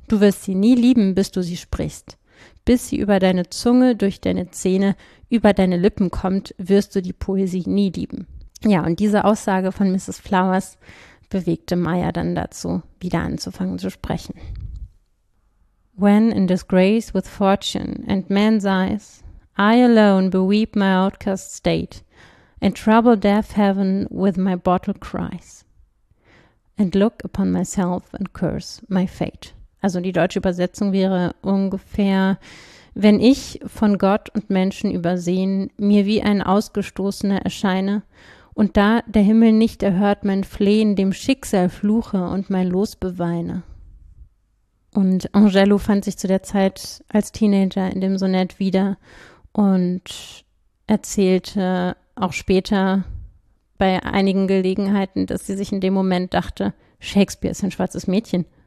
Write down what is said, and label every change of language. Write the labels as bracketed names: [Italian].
[German] Du wirst sie nie lieben, bis du sie sprichst. Bis sie über deine Zunge, durch deine Zähne, über deine Lippen kommt, wirst du die Poesie nie lieben. Ja, und diese Aussage von Mrs. Flowers bewegte Maya dann dazu, wieder anzufangen zu sprechen. [English] When in disgrace with fortune and man's eyes, I alone beweep my outcast state and trouble deaf heaven with my bottle cries and look upon myself and curse my fate. [German] Also die deutsche Übersetzung wäre ungefähr, wenn ich von Gott und Menschen übersehen, mir wie ein Ausgestoßener erscheine und da der Himmel nicht erhört, mein Flehen dem Schicksal fluche und mein Los beweine. Und Angelou fand sich zu der Zeit als Teenager in dem Sonett wieder und erzählte auch später bei einigen Gelegenheiten, dass sie sich in dem Moment dachte, Shakespeare ist ein schwarzes Mädchen.